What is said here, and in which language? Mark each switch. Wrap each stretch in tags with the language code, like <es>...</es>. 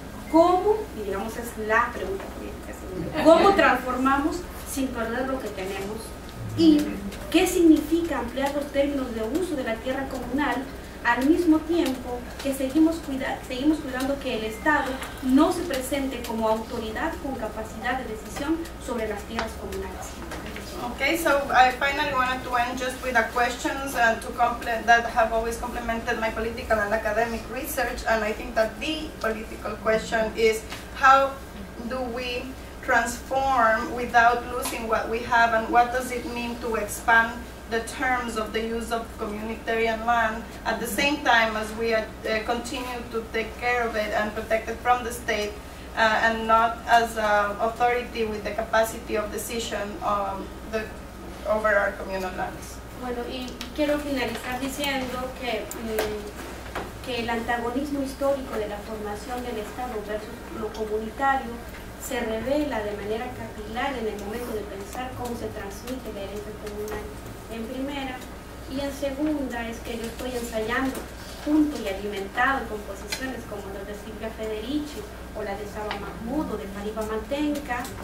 <es>¿Cómo, y digamos es la pregunta política, cómo transformamos sin perder lo que tenemos? ¿Y qué significa ampliar los términos de uso de la tierra comunal al mismo tiempo que seguimos cuidando que el Estado no se presente como autoridad con capacidad de decisión sobre las tierras comunales?</es> <en>Okay, so I finally wanted to end just with a questions that have always complemented my political and academic research, and I think that the political question is how do we transform without losing what we have, and what does it mean to expand the terms of the use of communitarian land at the same time as we continue to take care of it and protect it from the state, and not as authority with the capacity of decision over our communal lands.</en> <es>Bueno, y quiero finalizar diciendo que que el antagonismo histórico de la formación del Estado versus lo comunitario se revela de manera capilar en el momento de pensar cómo se transmite la herencia comunal en primera, y en segunda es que yo estoy ensayando junto y alimentado con posiciones como las de Silvia Federici o la de Saba Mahmudo, de Mariba Matenka,</es>